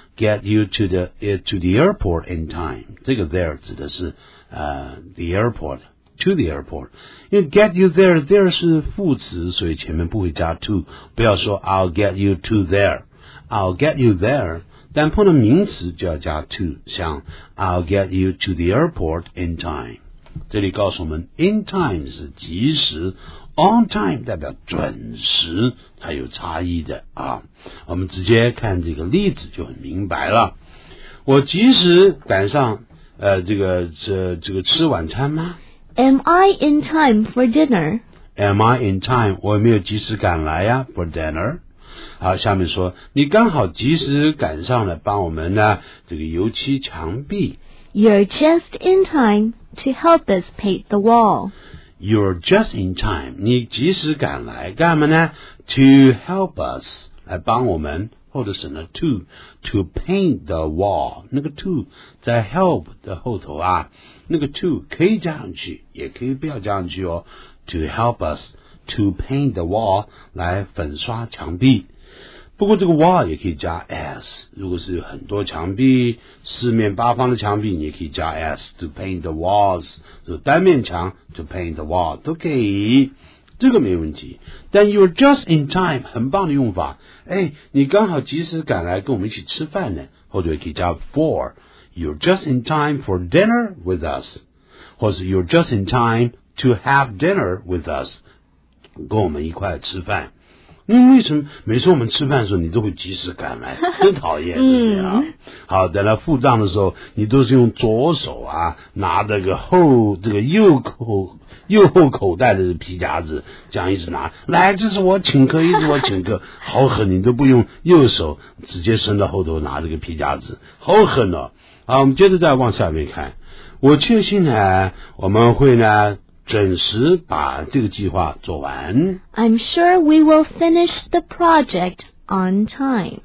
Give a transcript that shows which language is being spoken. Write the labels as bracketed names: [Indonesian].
[English] Get you to the airport in time. [Chinese] 这个 [English] there [Chinese] 指的是 [English] the airport, to the airport. [Chinese] 因为 get you there, there 是副词，所以前面不会加 to. 不要说 [English] I'll get you to there. I'll get you there. [Chinese] 但碰到名词就要加 to. 像 [English] I'll get you to the airport in time. [Chinese] 这里告诉我们 in time 是及时。 [English] On time [Chinese] 代表准时，它有差异的啊。我们直接看这个例子就很明白了。我及时赶上这个吃晚餐吗 [English] ？Am I in time for dinner? Am I in time? [Chinese] 我有没有及时赶来呀 [English] ？For dinner? [Chinese] 好，下面说你刚好及时赶上了，帮我们呢这个油漆墙壁。 [English] You're just in time to help us paint the wall. You're just in time. [Chinese] 你及时赶来干嘛呢 [English] ？To help us [Chinese] 来帮我们，或者是呢 [English] ，to paint the wall. [Chinese] 那个 to 在 help 的后头啊，那个 to 可以加上去，也可以不要加上去哦。 [English] To help us to paint the wall [Chinese] 来粉刷墙壁。不过这个 wall 也可以加 s。如果是有很多墙壁，四面八方的墙壁，你也可以加 s [English] to paint the walls。 [Chinese] 就单面墙 [English] to paint the wall [Chinese] 都可以，这个没问题。但 [English] you're just in time [Chinese] 很棒的用法。哎，你刚好及时赶来跟我们一起吃饭呢，或者也可以加 for。 [English] You're just in time for dinner with us， 或是 you're just in time to have dinner with us， [Chinese] 跟我们一块吃饭。为什么每次我们吃饭的时候你都会及时赶来，真讨厌，对不对啊？好，等到付账的时候你都是用左手啊拿这个右后口袋的皮夹子，这样一直拿来，这是我请客，一直我请客，好狠，你都不用右手，直接伸到后头拿这个皮夹子，好狠哦。好，我们接着再往下面看。我确信呢我们会呢准时把这个计划做完。 [English] I'm sure we will finish the project on time.